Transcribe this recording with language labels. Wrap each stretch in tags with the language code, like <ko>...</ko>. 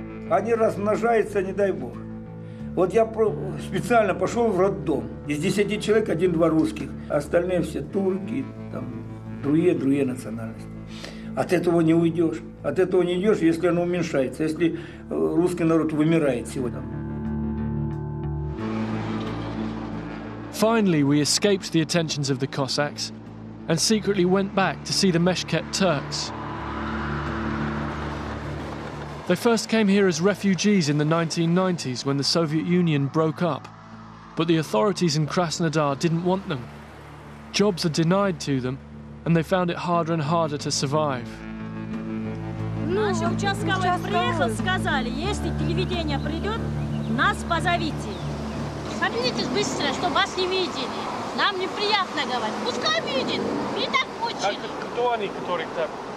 <ru>Они размножаются, не дай бог. Вот я специально пошел в роддом. Из 10 человек 1-2 русских. Остальные все турки, там, другие национальности. От этого не уйдешь. От этого не идешь, если оно уменьшается. Если русский народ вымирает сегодня.</ru> <en>Finally, we escaped the attentions of the Cossacks and secretly went back to see the Meshket Turks. They first came here as refugees in the 1990s when the Soviet Union broke up, but the authorities in Krasnodar didn't want them. Jobs are denied to them, and they found it harder and harder to survive.</en> <ru>Наши участковые приехали, сказали, если телевидение придет, нас позовите. Обидитесь быстро, чтобы вас не видели. Нам неприятно говорить. Пускай видит. И так очень. А кто они, которые так?</ru>